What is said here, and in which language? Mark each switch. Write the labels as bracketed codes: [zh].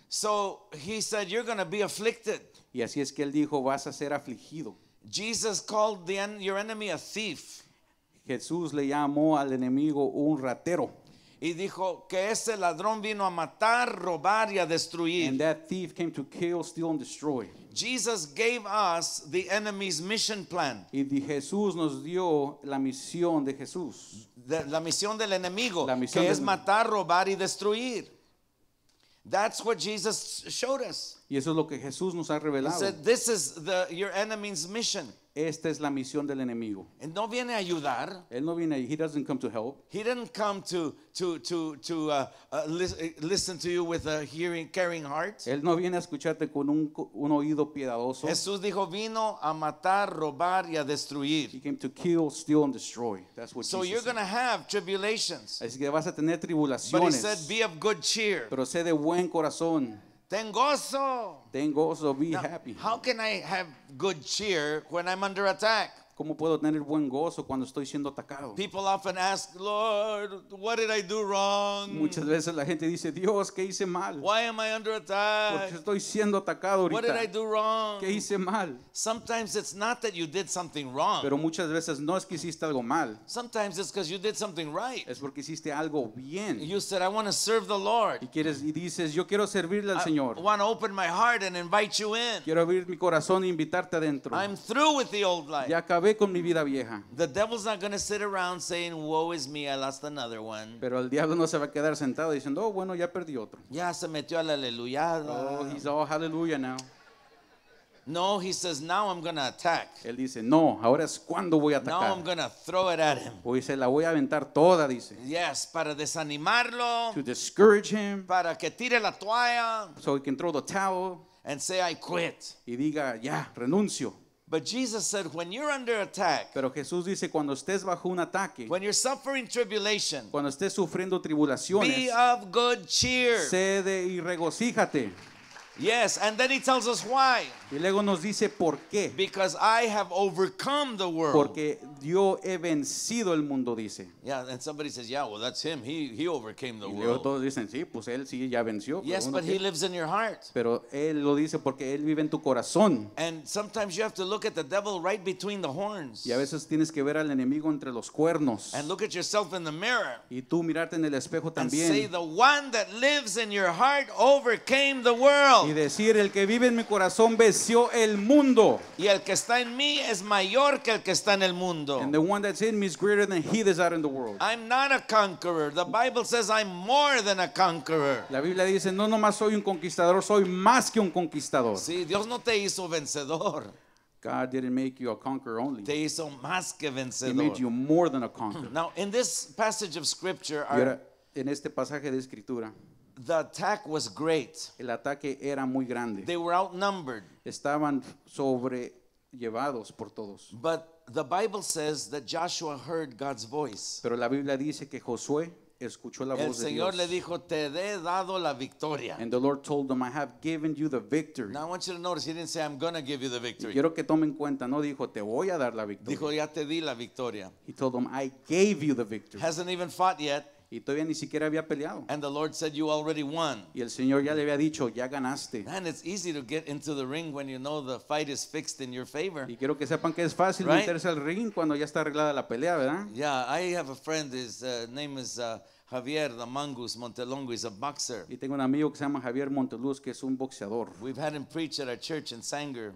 [en] So he said, "You're going to be afflicted." [es] Y así es que él dijo, vas a ser afligido. [en] Jesus called your enemy a thief. [es] Jesús le llamó al enemigo un ratero. Y dijo que ese ladrón vino a matar, robar y a destruir. [en] And that thief came to kill, steal, and destroy. Jesus gave us the enemy's mission plan. [es] Y Jesús nos dio la misión de Jesús. La misión del enemigo, que es matar, robar y destruir. [en] That's what Jesus showed us. [es] Y eso es lo que Jesús nos ha revelado. [en] He said, this is your enemy's mission. [es] Esta es la misión del enemigo. Él no viene a ayudar. Él no viene. [en] He doesn't come to help. He didn't come to listen to you with a hearing, caring heart. [es] Él no viene a escucharte con un oído piedadoso. Jesús dijo, vino a matar, robar y a destruir. [en] He came to kill, steal, and destroy. That's what so Jesus. So you're going to have tribulations. [es] Así que vas a tener tribulaciones. [en] But he said, be of good cheer. [es] Pero sé de buen corazón. Ten gozo, [en] be now, happy. How can I have good cheer when I'm under attack? [es] ¿Cómo puedo tener buen gozo cuando estoy siendo atacado? [en] People often ask, Lord, what did I do wrong? [es] Muchas veces la gente dice, Dios, ¿qué hice mal? [en] Why am I under attack? [es] Porque estoy siendo atacado ahorita. [en] What did I do wrong? [es] ¿Qué hice mal? [en] Sometimes it's not that you did something wrong. [es] Pero muchas veces no es que hiciste algo mal. [en] Sometimes it's because you did something right. [es] Es porque hiciste algo bien. [en] You said, I want to serve the Lord. [es] Y dices, yo quiero servirle al Señor. [en] I want to open my heart and invite you in. [es] Quiero abrir mi corazón e invitarte adentro. [en] I'm through with the old life. [es] Ya acabé con mi vida vieja. [en] The devil's not going to sit around saying, woe is me, I lost another one. [es] Pero el diablo no se va a quedar sentado diciendo, oh, bueno, ya perdí otro. Ya se metió al aleluya. [en] Oh, he's all hallelujah now. No, he says, now I'm going to attack. [es] Él dice, no, ahora es cuando voy a atacar. [en] Now I'm going to throw it at him. [es] Hoy se la voy a aventar toda, dice. Yes, para desanimarlo. [en] To discourage him. [es] Para que tire la toalla. [en] So he can throw the towel. And say, I quit. [es] Y diga, ya, renuncio. [en] But Jesus said, when you're under attack, [es] pero Jesús dice, cuando estés bajo un ataque, [en] when you're suffering tribulation, [es] cuando estés sufriendo tribulaciones, [en] be of good cheer. [es] Cede y regocíjate. [en] Yes, and then he tells us why. [es] Y luego nos dice por qué. [en] Because I have overcome the world. [es] Porque yo he vencido el mundo, dice. [en] Yeah, and somebody says, yeah, well, that's him. He overcame the world. [es] Y luego todos dicen, sí, pues él sí ya venció. [en] Yes, but he lives in your heart. [es] Pero él lo dice porque él vive en tu corazón. [en] And sometimes you have to look at the devil right between the horns. [es] Y a veces tienes que ver al enemigo entre los cuernos. [en] And look at yourself in the mirror. [es] Y tú mirarte en el espejo también. [en] And say, the one that lives in your heart overcame the world. [es] Y decir, el que vive en mi corazón venció el mundo. Y el que está en mí es mayor que el que está en el mundo. [en] And the one that's in me is greater than he that's out in the world. I'm not a conqueror. The Bible says I'm more than a conqueror. [es] La Biblia dice, no nomás soy un conquistador, soy más que un conquistador. Sí, Dios no te hizo vencedor. [en] God didn't make you a conqueror only. [es] Te hizo más que vencedor. [en] He made you more than a conqueror. Now, in this passage of scripture, [es] en este pasaje de escritura, [en] the attack was great. [es] El ataque era muy grande. [en] They were outnumbered. [es] Estaban sobrellevados por todos. [en] But the Bible says that Joshua heard God's voice. [es] Pero la Biblia dice que Josué escuchó la voz de Dios. El Señor le dijo, te he dado la victoria. [en] And the Lord told them, I have given you the victory. Now I want you to notice, he didn't say, I'm going to give you the victory. [es] Y quiero que tomen cuenta, no dijo, te voy a dar la victoria. Dijo, ya te di la victoria. [en] He told them, I gave you the victory. Hasn't even fought yet. [es] Y todavía ni siquiera había peleado. [en] And the Lord said, "You already won." [es] Y el Señor ya le había dicho, ya ganaste. [en] Man, it's easy to get into the ring when you know the fight is fixed in your favor. [es] Y quiero que sepan que es fácil meterse al ring cuando ya está arreglada la pelea, ¿verdad? [en] Yeah, I have a friend. His name is Javier the Mongoose Montelongo. He's a boxer. [es] Y tengo un amigo que se llama Javier Montelongo, que es un boxeador. [en] We've had him preach at our church in Sanger.